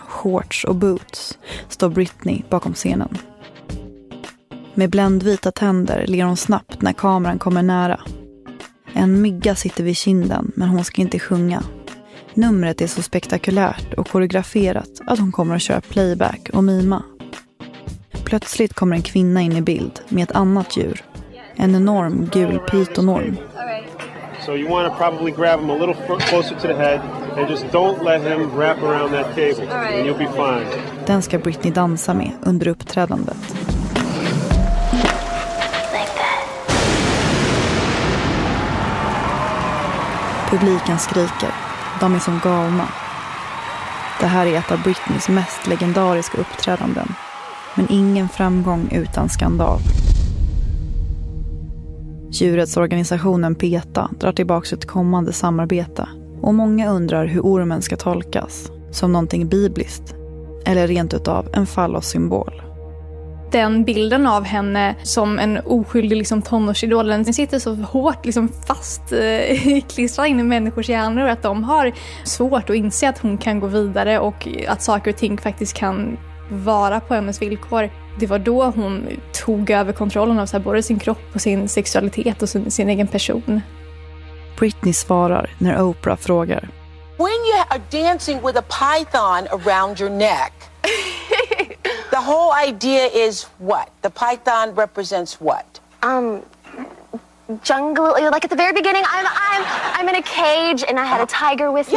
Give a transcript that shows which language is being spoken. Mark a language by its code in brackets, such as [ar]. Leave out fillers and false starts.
[sv] shorts och boots står Britney bakom scenen. Med bländvita tänder ler hon snabbt när kameran kommer nära. En mygga sitter vid kinden, men hon ska inte sjunga. Numret är så spektakulärt och koreograferat att hon kommer att köra playback och mima. Plötsligt kommer en kvinna in i bild med ett annat djur. En enorm gul pytonorm. [en] So you want to probably grab him a little closer to the head and just don't let him wrap around that table and you'll be fine. [sv] Den ska Britney dansa med under uppträdandet. Publiken skriker. De är som galna. Det här är ett av Britneys mest legendariska uppträdanden. Men ingen framgång utan skandal. Djurrättsorganisationen PETA drar tillbaka ett kommande samarbete. Och många undrar hur ormen ska tolkas. Som någonting bibliskt. Eller rent utav en fallossymbol. Den bilden av henne som en oskyldig liksom, tonårsidol, den sitter så hårt liksom, fast klistrad in i människors hjärnor att de har svårt att inse att hon kan gå vidare och att saker och ting faktiskt kan vara på hennes villkor. Det var då hon tog över kontrollen av så här, både sin kropp och sin sexualitet och sin egen person. Britney svarar när Oprah frågar. [en] When you are dancing with a python around your neck. The whole idea is what? The python represents what? Jungle, like at the very beginning, I'm in a cage and I had a tiger with me.